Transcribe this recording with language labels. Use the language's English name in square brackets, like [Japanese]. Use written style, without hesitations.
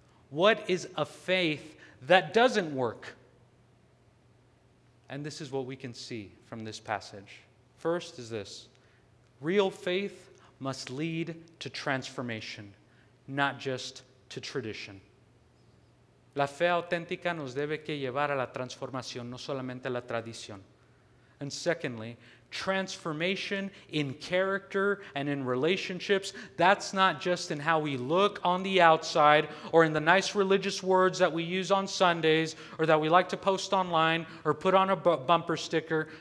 [English] What is a faith that doesn't work? And this is what we can see from this passage. First is this: real faith must lead to transformation, not just to tradition. [Spanish] La fe auténtica nos debe que llevar a la transformación, no solamente a la tradición. [English] And secondly, transformation in character and in relationships, that's not just in how we look on the outside or in the nice religious words that we use on Sundays or that we like to post online or put on a bumper sticker.